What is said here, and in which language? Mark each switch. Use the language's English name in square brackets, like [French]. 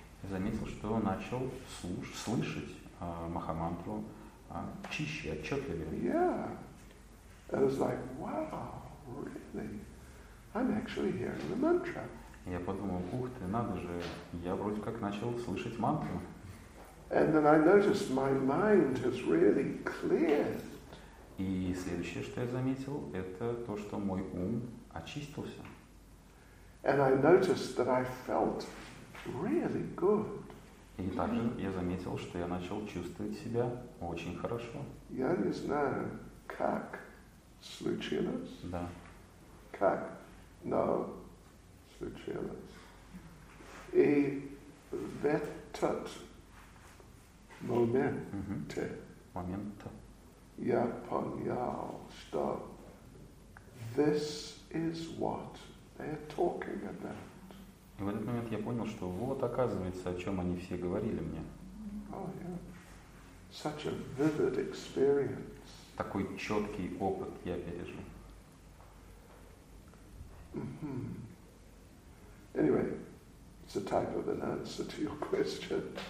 [Russian] заметил, что начал слышать Махамантру чище, отчетливее. [English] Yeah. It was like, wow, really? I'm actually hearing the mantra. [Russian] Я подумал, ух ты, надо же, я вроде как начал слышать мантру. [English] And then I noticed my mind has really cleared. [Russian] И следующее, что я заметил, это то, что мой ум очистился. [English] And I noticed that I felt really good. [Russian] И также я заметил, что я начал чувствовать себя очень хорошо. Я не знаю, как случилось. Да. Как, но случилось. И в этот моменте я понял, что [English] this is what they're talking about. [Russian] И в этот момент я понял, что вот оказывается, о чем они все говорили мне. [English] Oh, yeah. Such a vivid experience. [Russian] Такой четкий опыт я пережил. Mm-hmm. [English] Anyway, it's a type of an answer to your question.